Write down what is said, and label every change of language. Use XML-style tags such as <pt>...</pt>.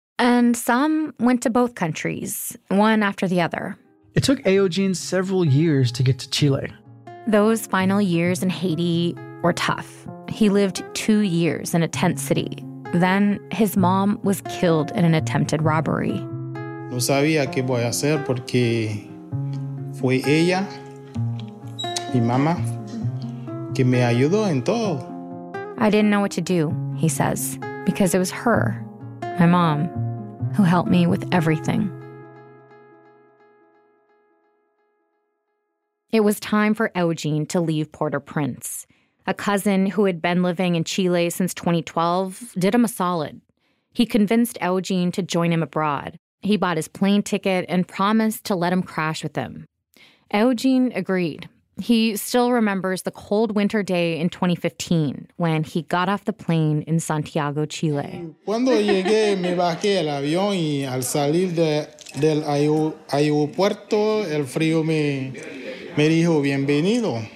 <en>And some went to both countries, one after the other. It took Eugene several years to get to Chile. Those final years in Haiti were tough. He lived 2 years in a tent city. Then his mom was killed in an attempted robbery.</en> <es>No sabía qué voy a hacer porque fue ella, mi mamá, que me ayudó en todo.</es> <en>I didn't know what to do, he says, because it was her, my mom, who helped me with everything. It was time for Eugene to leave Port-au-Prince. A cousin who had been living in Chile since 2012 did him a solid. He convinced Eugene to join him abroad. He bought his plane ticket and promised to let him crash with him. Eugene agreed. He still remembers the cold winter day in 2015 when he got off the plane in Santiago, Chile.</en> <es>Cuando llegué, me bajé el avión y al salir del aeropuerto, el frío me dijo bienvenido.</es>